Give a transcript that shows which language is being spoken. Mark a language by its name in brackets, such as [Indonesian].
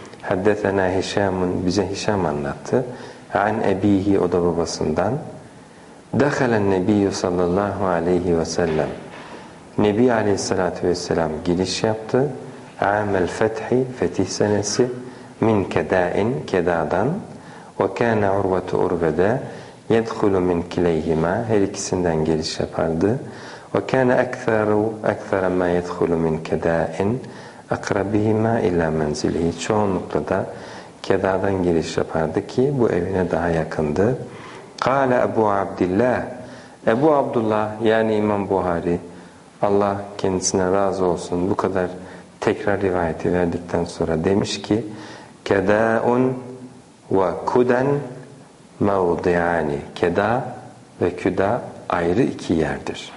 [Arabic] Haddethena Hişamun. [Turkish] Bize Hişam anlattı. [Arabic] An ebihi, [Turkish] o da babasından. [Arabic] Dekhelen Nebiyyü sallallahu aleyhi ve sellem. [Turkish] Nebi aleyhissalatu vesselam giriş yaptı. [Arabic] Amel fethi, [Turkish] fetih senesi. [Arabic] Min kedain, [Turkish] kedadan. [Arabic] وَكَانَ عُرْوَةُ عُرْوَدَ يَدْخُلُ مِنْ كِلَيْهِمَا, [Turkish] her ikisinden giriş yapardı. [Arabic] وَكَانَ أَكْثَرَ مَا يَدْخُلُ مِنْ كَدَاءٍ أَقْرَبِهِمَا اِلَى مَنْزِلِهِ, [Turkish] çoğunlukla da kedadan giriş yapardı ki bu evine daha yakındı. [Arabic] قَالَ أَبُوْ عَبْدِلَّهِ, [Turkish] Ebu Abdullah, yani İmam Buhari, Allah kendisine razı olsun, bu kadar tekrar rivayeti verdikten sonra demiş ki, [Arabic] كَدَاءٌ وَكُدَنْ مَوْضِعَانِ, [Turkish] keda ve küda ayrı iki yerdir.